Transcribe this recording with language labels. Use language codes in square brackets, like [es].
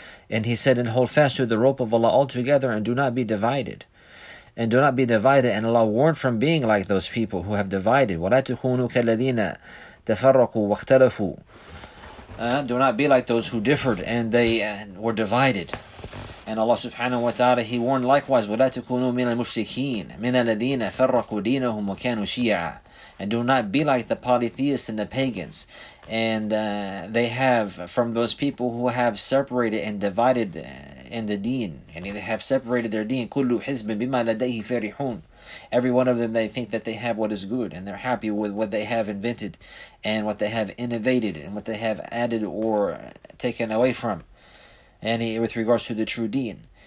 [en] And he said, and hold fast to the rope of Allah altogether, and do not be divided. And do not be divided. And Allah warned from being like those people who have divided. [ar] وَلَا تُكُونُوا كَالَّذِينَ تَفَرَّقُوا وَاخْتَلَفُوا. [en] Do not be like those who differed and they were divided. [ar] And Allah subhanahu wa ta'ala, [en] he warned likewise, [ar] وَلَا تُكُونُوا مِنَ الْمُشْرِكِينَ مِنَ الَّذِينَ فَرَّقُوا دِينَهُمْ وَكَانُوا شِيَعًا. [en] And do not be like the polytheists and the pagans. And they have, from those people who have separated and divided in the deen, and they have separated their deen. [ar] Kullu hizbin bima ladayhi farihun. [en] Every one of them, they think that they have what is good, and they're happy with what they have invented, and what they have innovated, and what they have added or taken away from, and with regards to the true deen.